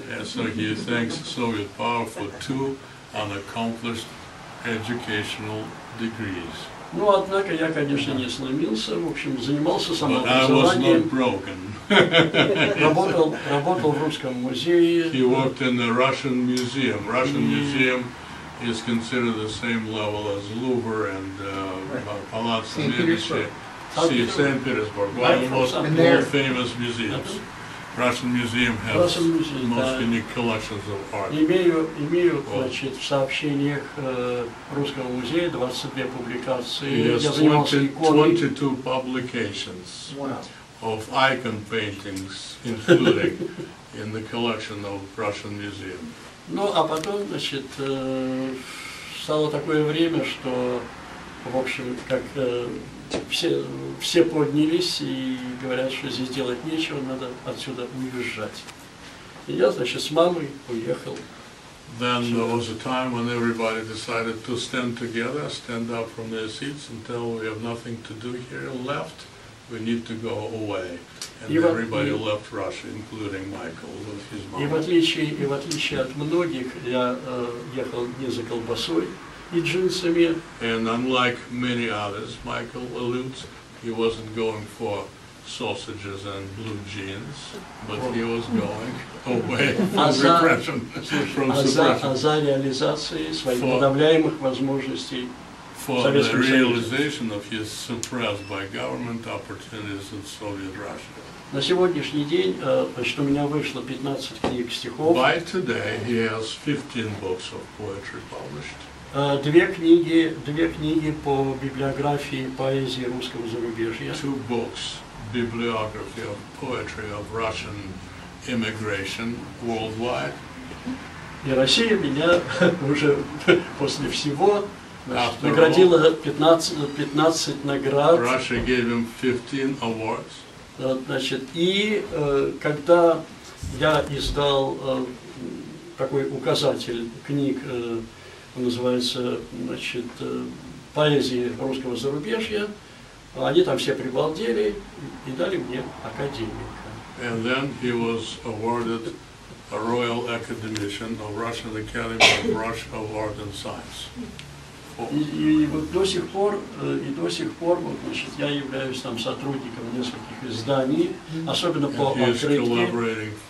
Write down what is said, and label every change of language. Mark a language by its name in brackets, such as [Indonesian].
[English] Yeah, so he thanks Soviet power for two unaccomplished educational degrees. [Russian] Ну, однако, я, конечно, не сломился, в общем, занимался самообразованием. Работал в Русском музее. [English] He worked in the Russian Museum. Russian Museum is considered the same level as Louvre and Palazzo Medici. See, St. Petersburg, one of the most famous museums. Russian Museum has most unique collections of art. [Russian] Имею, значит, в сообщениях Русского музея 22 публикации. [English] He has 22 publications of icon paintings, including in the collection of Russian Museum. [Russian] Ну, а потом, значит, стало такое время, что, в общем, как все поднялись и говорят, что здесь делать нечего, надо отсюда уезжать. И я, значит, с мамой уехал. [English] Then there was a time when everybody decided to stand together, stand up from their seats and tell, we have nothing to do here, left. we need to go away. And everybody left Russia, including Michael with his mom. [Russian] И в отличие от многих, я ехал не за колбасой и джинсами. [English] And unlike many others, Michael alludes, he wasn't going for sausages and blue jeans, but he was going away from repression, from suppression. [Russian] За реализацией своих подавляемых возможностей. [English] For the realization of his suppressed by government opportunities in Soviet Russia. [Russian] На сегодняшний день, значит, у меня вышло 15 книг стихов. [English] By today he has 15 books of poetry published. [Russian] Две книги по библиографии поэзии русского зарубежья. [English] Two books, bibliography of poetry of Russian immigration worldwide. [Russian] И Россия меня уже после всего наградила 15 наград. [English] Russia gave him 15 awards. [Russian] Значит, и когда я издал такой указатель книг, он называется, значит, «Поэзии русского зарубежья», они там все прибалдели и дали мне академика. [English] And then he was awarded a royal academician of Russian Academy of Russia of Art and Science. [Russian] И до сих пор, значит, я являюсь там сотрудником нескольких изданий, особенно по открытке